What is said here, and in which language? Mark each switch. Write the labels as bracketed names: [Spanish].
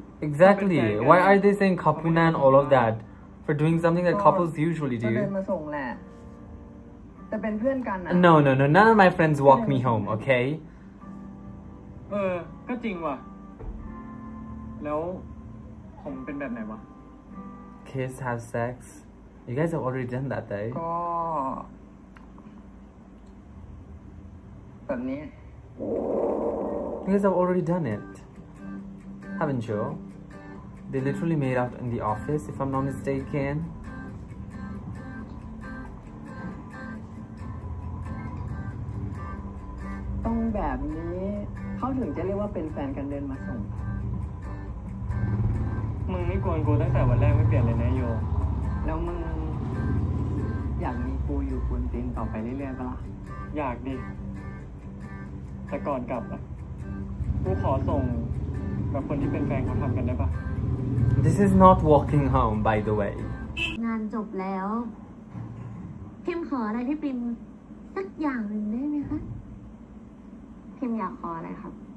[English] Exactly why are they saying couple and all of that for doing something that couples usually do [Thai] ก็ได้มาส่งแหละแต่เป็นเพื่อนกันนะ [English] No none of my friends walk me home okay [Thai] เออก็จริงว่ะแล้วผมเป็นแบบไหนวะ [English] Kiss, have sex You guys have already done that, though. [Thai] ก็ตอนนี้ [English] You guys have already done it, haven't you? They literally made out in the office, if I'm not mistaken. [Thai] ต้องแบบนี้เขาถึงจะเรียกว่าเป็นแฟนกันเดินมาส่ง มึงไม่กวนกูตั้งแต่วันแรกไม่เปลี่ยนเลยนะโย แล้วมึงอยากมีกูอยู่บนเตียงต่อไปเรื่อยๆปะล่ะ อยากดิแต่ก่อนกลับอ่ะกูขอส่งกับคนที่เป็นแฟนเขาทำกันได้ปะ [English] This is not walking home by the way [Thai] งานจบแล้วพิมขออะไรพี่ปิมสักอย่างหนึ่งได้ไหมคะพิมอยากขออะไรครับ